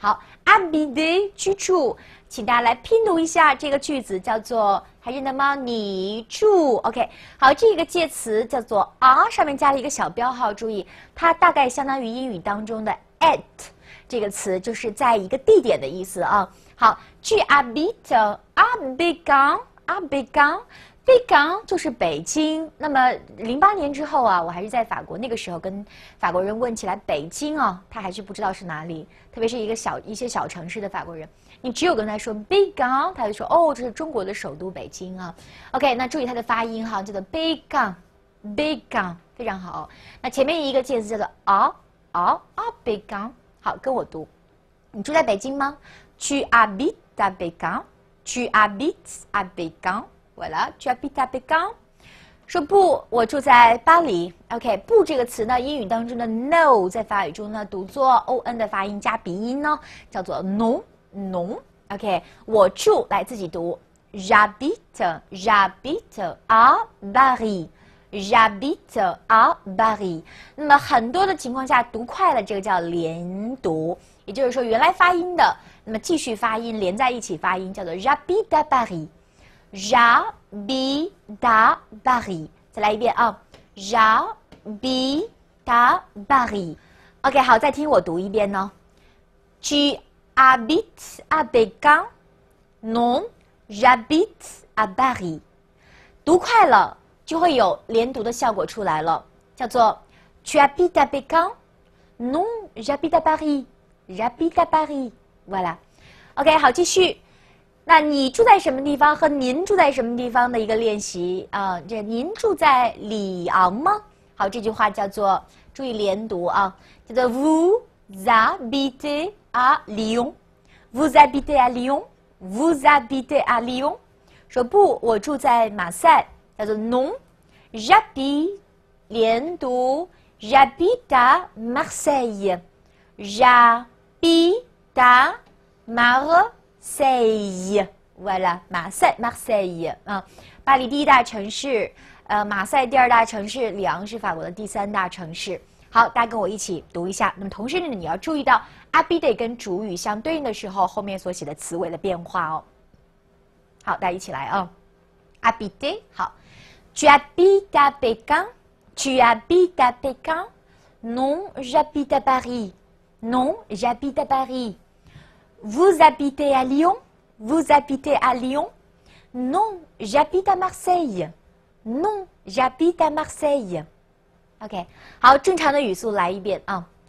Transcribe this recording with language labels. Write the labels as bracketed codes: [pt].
[zh] 好 ，habité 居住，请大家来拼读一下这个句子，叫做还认得吗？你住 ，OK。好，这个介词叫做 are， 上面加了一个小标号，注意它大概相当于英语当中的 at 这个词，就是在一个地点的意思啊。好，去 habité， habité。北港就是北京，那么2008年之后啊，我还是在法国，那个时候跟法国人问起来北京啊，他还是不知道是哪里，特别是一些小城市的法国人，你只有跟他说北港，他就说哦，这是中国的首都北京啊。 OK， 那注意他的发音哈，叫做北港，北港非常好。那前面一个介词叫做啊，北港，好，跟我读，你住在北京吗 ？ [fr] Tu habites à Pékin？ Tu habites à Pékin？ Voilà, tu habites à Pékin? [zh] 说不，我住在巴黎。 OK， 不这个词呢，英语当中的 no 在法语中呢读作 on 的发音加鼻音呢，叫做 non。 OK， 我住来自己读 ， [fr] j'habite à Paris。 J'habite à Paris。 [zh] 那么很多的情况下读快了，这个叫连读，也就是说原来发音的，那么继续发音连在一起发音，叫做 j'habite à Paris。 [fr] J'habite à Paris， [zh] 再来一遍啊 ！J'habite à Paris， OK， 好，再听我读一遍呢。 [fr] Tu habites à Pékin？ Non， j'habite à Paris。 [zh] 读快了就会有连读的效果出来了，叫做 [fr] Tu habites à Pékin？ Non， j'habite à Paris。J'habite à Paris， voilà。OK， [zh] 好，继续。那你住在什么地方和您住在什么地方的一个练习啊？这您住在里昂吗？ [fr] 好， [zh] 这句话叫做注意连读啊，叫做 [fr] Vous habitez à Lyon， Vous habitez à Lyon， Vous habitez à Lyon。 [zh] 说不，我住在马赛，叫做 [fr] Non， j'habite， 连读 j'habite à Marseille， j'habite à Marseille。 [zh] Marseille， voilà， Marseille， 啊，巴黎第一大城市，马赛第二大城市，里昂是法国的第三大城市。好，大家跟我一起读一下。那么同时呢，你要注意到 habité 跟主语相对应的时候，后面所写的词尾的变化哦。 [fr] 好，大家一起来啊 ，habité， 好 ，tu habites à Pékin， tu habites à Pékin， non， j'habite à Paris， non， j'habite à Paris。 Vous habitez à Lyon? Vous habitez à Lyon? Non, j'habite à Marseille. Non, j'habite à Marseille. [zh] OK， 好，正常的语速来一遍啊。